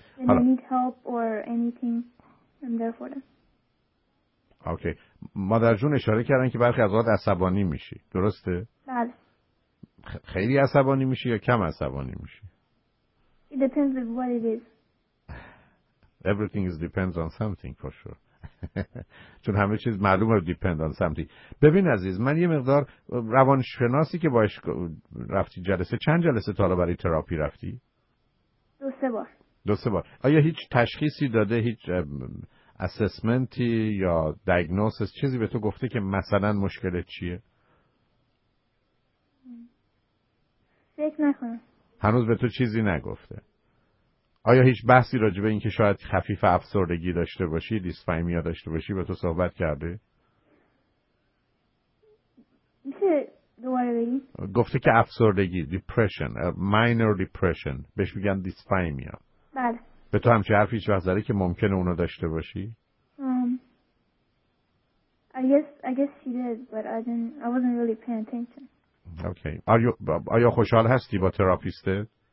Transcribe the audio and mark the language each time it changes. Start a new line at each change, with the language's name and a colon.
English: When they need help or anything I'm there for them. Okay.
Persian: مادر جون اشاره کردن که برخی از وقت عصبانی میشی، درسته؟ بله. خیلی عصبانی میشی یا کم عصبانی میشی؟
English: It depends on what it is. Everything is depends on something for sure.
Persian: چون همه چیز معلومه
English: depend on something.
Persian: ببین عزیز، من یه مقدار روانشناسی که باش رفتی جلسه، چند جلسه تا حالا برای تراپی رفتی؟ دو سه بار. آیا هیچ تشخیصی داده، هیچ assessmentی یا diagnosis چیزی به تو گفته که مثلا مشکلت چیه؟ نکنم. هنوز به تو چیزی نگفته. آیا هیچ بحثی راجع به این که شاید خفیف افسردگی داشته باشی، دیسفایمیا داشته باشی به تو صحبت کرده؟ میشه دوباره بگی؟ گفته که افسردگی، depression، minor depression، بهش میگن دیسفایمیا. بله. به تو همچه حرفی هیچ وقت داره که ممکنه اونو داشته باشی؟
English: I guess she did, but I wasn't really paying attention. Okay.
Persian: آیا خوشحال هستی با تراپیسته؟